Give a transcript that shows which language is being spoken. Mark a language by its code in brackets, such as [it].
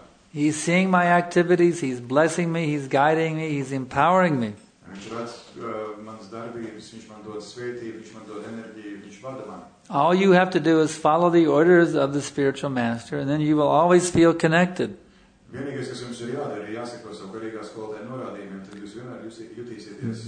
[en] He's seeing my activities, he's blessing me, he's guiding me, he's empowering me. [lv] Viņš redz manas darbības, viņš man dod svētību, viņš man dod enerģiju, viņš vada mani. [en] All you have to do is follow the orders of the spiritual master and then you will always feel connected. [lv] Vienīgais, kas jums ir jādara, ir jāsako savu garīgā skolotāja norādījumiem, tad jūs vienmēr jutīsieties.